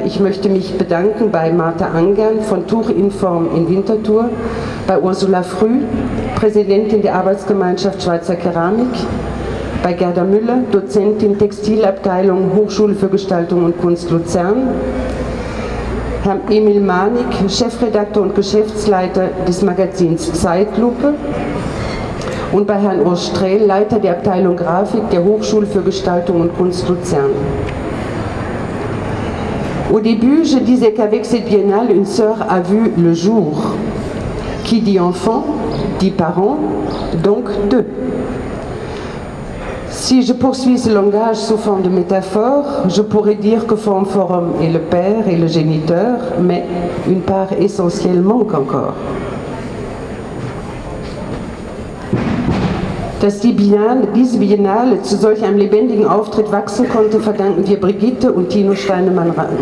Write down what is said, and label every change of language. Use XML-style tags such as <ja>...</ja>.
<de>Ich möchte mich bedanken bei Martha Angern von Tuch in Form in Winterthur, bei Ursula Früh, Präsidentin der Arbeitsgemeinschaft Schweizer Keramik, bei Gerda Müller, Dozentin Textilabteilung Hochschule für Gestaltung und Kunst Luzern, Herrn Emil Manik, Chefredakteur und Geschäftsleiter des Magazins Zeitlupe, und bei Herrn Urs Strehl, Leiter der Abteilung Grafik der Hochschule für Gestaltung und Kunst Luzern.</de> <fr>Au début, je disais qu'avec cette biennale, une sœur a vu le jour. Qui dit enfant, dit parent, donc deux. Si je poursuis ce langage sous forme de métaphore, je pourrais dire que Form Forum est le père et le géniteur, mais une part essentielle manque encore.</fr> <de>Dass diese Biennale zu solch einem lebendigen Auftritt wachsen konnte, verdanken wir Brigitte und Tino Steinemann.</de>